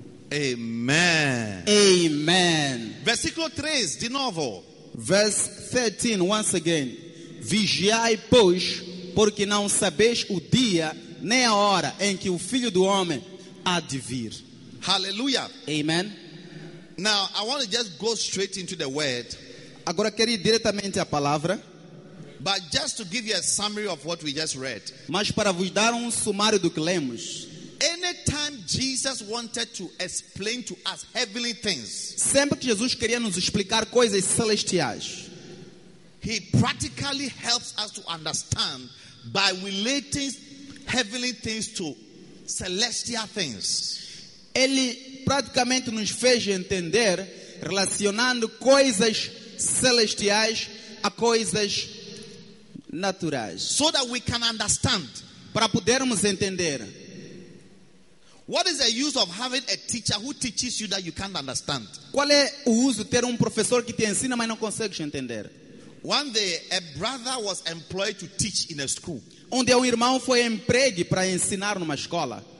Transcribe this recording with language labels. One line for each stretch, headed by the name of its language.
Portuguese: Amen. Amen. Versículo 3, de novo.
English: Verse 13, once again.
Portuguese: Vigiai, pois, porque não sabeis o dia nem a hora em que o Filho do Homem há de vir. Hallelujah. Amen.
English: Now, I want to just go straight into the word.
Portuguese: Agora quero ir diretamente à palavra.
English: But just to give you a summary of what we just read.
Portuguese: Mas para vos dar sumário do que lemos.
English: Anytime Jesus wanted to explain to us heavenly things.
Portuguese: Sempre que Jesus queria nos explicar coisas celestiais.
English: He practically helps us to understand by relating heavenly things to celestial things.
Portuguese: Ele praticamente nos fez entender relacionando coisas celestiais a coisas naturais.
English: So that we can understand.
Portuguese: Para podermos entender.
English: What is the use of having a teacher who teaches you that you can't understand?
Portuguese: Qual é o uso de ter professor que te ensina mas não consegues entender?
English: One day, a brother was employed to teach in a school.
Portuguese: Onde irmão foi emprego para ensinar numa escola.